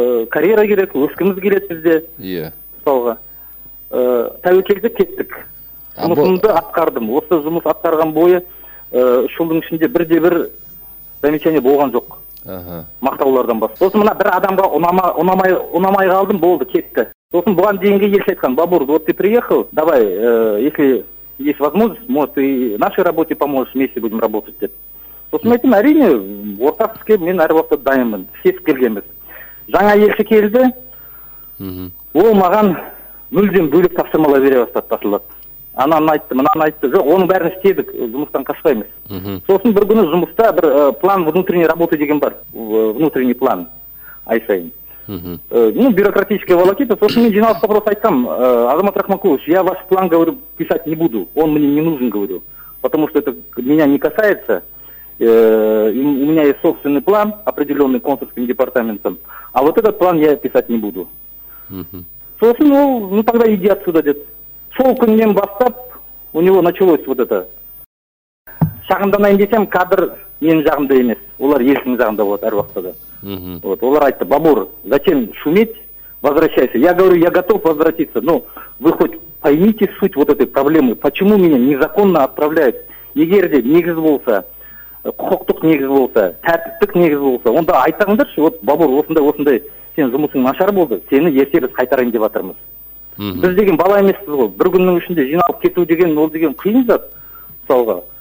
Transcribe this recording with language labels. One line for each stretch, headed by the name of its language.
Kazakh: Карьера керек, өскіміз келеді бізде. Мысалға. Тәуекелді кеттік. Жұмысымды атқардым. Осы жұмыс атқарған бойы үш жылдың ішінде бірде бір замечание болған жоқ. Мақтаулардан басқа. Сосын мына бір адамға ұнамай қалдым, болды, кетті. Сосын бұған дейінгі елші айтқан,
Russian: Бабур, вот ты приехал, давай, если есть возможность, может, и нашей работе поможешь, вместе будем работать
Kazakh: деп. Сосын айтым, әрине, орта түске мен әр уақытта дайынмын, сесіп келгенбіз. Жаңа елші келді, ол маған мүлдем бөлек тапсырмалар бере бастады, басылады. Ананы айтты, мынаны айтты, жоқ, оның бәрін істедік, жұмыстан қашпаймыз. Сосын бір күні жұмыста бір
Russian: план внутренней работы
Kazakh: деген бар,
Russian: внутренний план
Kazakh: ай сайын.
Russian: Ну, бюрократическая волокита. Слушай, мне 90 вопросов
Kazakh: айтам.
Russian: Азамат Рахмакулович, я ваш план, говорю, писать не буду. Он мне не нужен, говорю. Потому что это меня не касается. У меня есть собственный план, определенный консульским департаментом. А вот этот план я писать не буду. Слушай, ну тогда иди отсюда, дед. Солкан мне
Kazakh: бастап,
Russian: у него началось вот это.
Kazakh: Шағында найын десем, кадр мен жағымда емес. Олар елшінің жағында болады әр уақытта.
Russian: Вот,
Kazakh: олар айтты,
Russian: Бабур, зачем шуметь, возвращайся. Я говорю, я готов возвратиться. Но вы хоть поймите суть вот этой проблемы. Почему меня незаконно отправляют?
Kazakh: Егер де негіз болса, құқықтық негіз болса, тәртіптік негіз болса, онда айтаңдаршы, вот, Бабур, осындай, сен жұмысың нашар болды, сені ерте біз қайтарайын деп атырмыз. Біз деген бала емеспіз ғой. Бір күннің ішінде жиналып кету деген, ол деген қиын зат, мысалға.